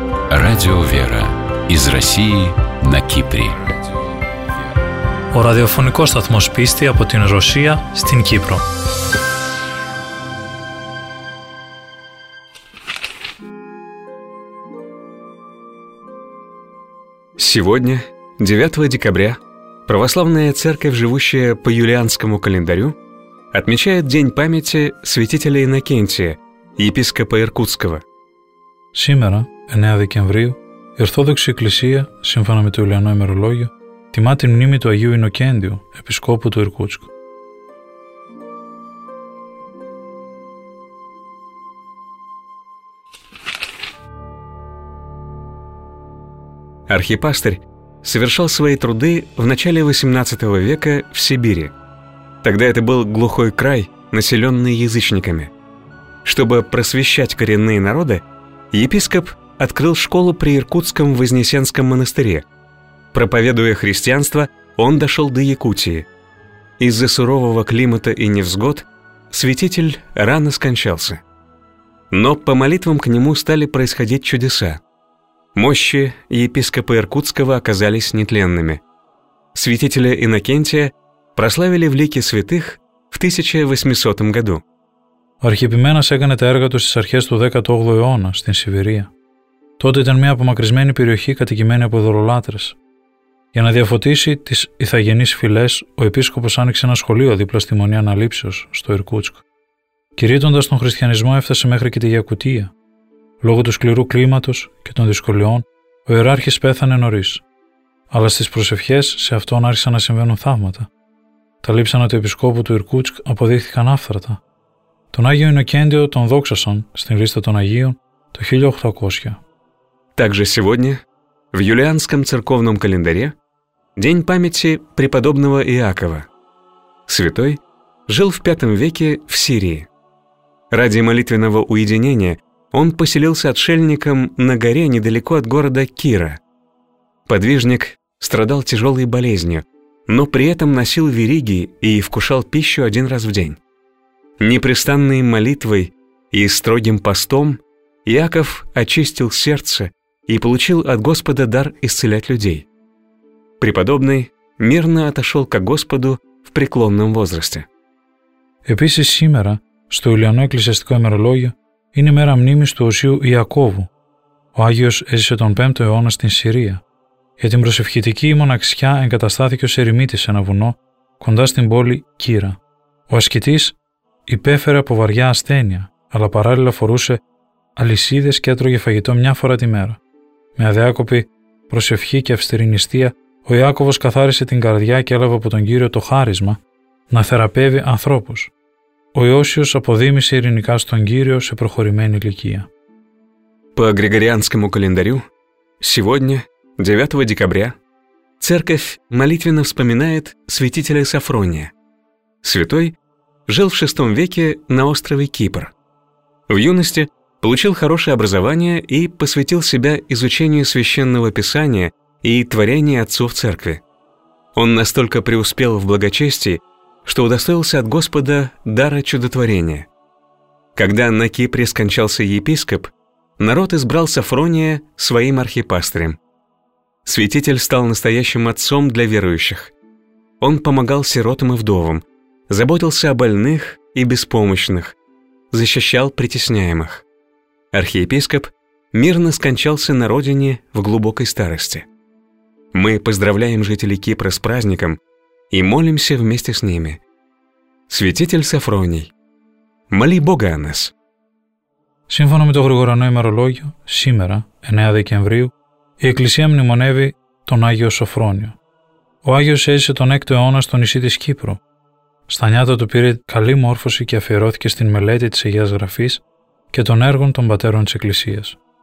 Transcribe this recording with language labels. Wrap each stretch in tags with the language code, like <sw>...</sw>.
<ru>Радио «Вера» из России на Кипре.</ru> <el>Ο ραδιοφωνικός σταθμός πίστη από την Ρωσία στην Κύπρο.</el> <ru>Сегодня, 9 декабря, православная церковь, живущая по юлианскому календарю, отмечает День памяти святителя Иннокентия, епископа Иркутского. Сегодня, 9 декабря,</ru> <el>Ορθόδοξη Εκκλησία, σύμφωνα με το Ιουλιανό ημερολόγιο, τιμά την μνήμη του Αγίου Ινοκέντιου, επισκόπου του Ιρκούτσκου.</el> <ru>Архипастырь совершал свои труды в начале 18 века в Сибири. Тогда это был глухой край, населенный язычниками. Чтобы просвещать коренные народы, епископ открыл школу при Иркутском Вознесенском монастыре. Проповедуя христианство, он дошел до Якутии. Из-за сурового климата и невзгод святитель рано скончался. Но по молитвам к нему стали происходить чудеса. Мощи епископа Иркутского оказались нетленными. Святителя Иннокентия прославили в лике святых в 1800 году.</ru> <el>Архипименос έκανε τα έργα του στις αρχές του 18ου αιώνα στην Σιβηρία. Τότε ήταν μια απομακρυσμένη περιοχή κατοικημένη από δωρολάτρες. Για να διαφωτίσει τις ηθαγενείς φυλές, ο επίσκοπος άνοιξε ένα σχολείο δίπλα στη Μονή Αναλήψεως, στο Ιρκούτσκ. Κηρύττοντας τον χριστιανισμό, έφτασε μέχρι και τη Γιακουτία. Λόγω του σκληρού κλίματος και των δυσκολιών, ο ιεράρχης πέθανε νωρίς. Αλλά στις προσευχές σε αυτόν άρχισαν να συμβαίνουν θαύματα. Τα λείψανα του επισκόπου του Ιρκούτσκ αποδείχθηκαν άφθαρτα. Τον Άγιο Ινοκέντιο τον δόξασαν στην λίστα των Αγίων το 1800.</el> <ru>Также сегодня, в юлианском церковном календаре, день памяти преподобного Иакова. Святой жил в V веке в Сирии. Ради молитвенного уединения он поселился отшельником на горе недалеко от города Кира. Подвижник страдал тяжелой болезнью, но при этом носил вериги и вкушал пищу один раз в день. Непрестанной молитвой и строгим постом Иаков очистил сердце и получил от Господа дар исцелять людей. Преподобный мирно отошел ко Господу в преклонном возрасте.</ru> <el>Επίσης σήμερα, στο Ιουλιανό εκκλησιαστικό ημερολόγιο, είναι μέρα μνήμης του Οσίου Ιακώβου. Ο Άγιος έζησε τον 5ο αιώνα στην Συρία. Για την προσευχητική μοναξιά εγκαταστάθηκε ως ερημίτης σε ένα βουνό, κοντά στην πόλη Κύρα. Ο ασκητής υπέφερε από βαριά ασθένεια, αλλά παράλληλα φορούσε αλυσίδες και έτρωγε φαγητό μια φορά τη μέρα. Με αδιάκοπη προσευχή και αυστηρή νηστεία, ο Ιάκωβος καθάρισε την καρδιά και έλαβε από τον Κύριο το χάρισμα να θεραπεύει ανθρώπους. Ο Ιώσιος αποδήμησε ειρηνικά στον Κύριο σε προχωρημένη ηλικία.</el> <ru>По Григорианскому календарю, сегодня, 9 декабря, церковь молитвенно вспоминает святителя Софрония. Святой жил в 6 веке на острове Кипр. В юности получил хорошее образование и посвятил себя изучению священного писания и творения отцов церкви. Он настолько преуспел в благочестии, что удостоился от Господа дара чудотворения. Когда на Кипре скончался епископ, народ избрал Софрония своим архипастырем. Святитель стал настоящим отцом для верующих. Он помогал сиротам и вдовам, заботился о больных и беспомощных, защищал притесняемых. Архиепископ мирно скончался на родине в глубокой старости. Мы поздравляем жителей Кипра с праздником и молимся вместе с ними. Святитель Софроний, моли Бога о нас.</ru> <el>Σύμφωνα με το Γρηγοριανό ημερολόγιο, σήμερα, 9 Δεκεμβρίου, η Εκκλησία μνημονεύει τον Άγιο Σοφρόνιο. Ο Άγιος έζησε τον 6ο αιώνα στο νησί της Κύπρου. Στα νιάτα του πήρε καλή μόρφωση και αφιερώθηκε στην μελέτη της Αγίας Γραφής και των έργων των πατέρων της Εκκλησίας.</el>